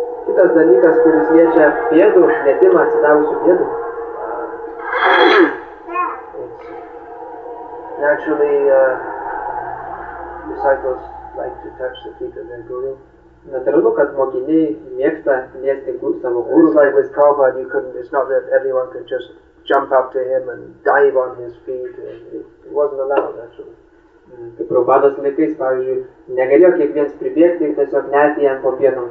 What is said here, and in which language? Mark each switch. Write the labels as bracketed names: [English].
[Lithuanian] Kitas dalykas, kuris liečia pėdų, lietimą atsidavusių pėdų. [English] Naturally, disciples like to touch the feet of their guru. [Lithuanian] Natūralu, kad mokiniai mėgsta liesti savo guru. [English] It's like with Prabhupada, it's not that everyone could just jump up to him and dive on his feet. It wasn't allowed, actually. [Lithuanian] Kaip Prabhupadas laikais, pavyzdžiui, negalėjo kiekvienas pribėgti ir tiesiog nerti jam po pėdom.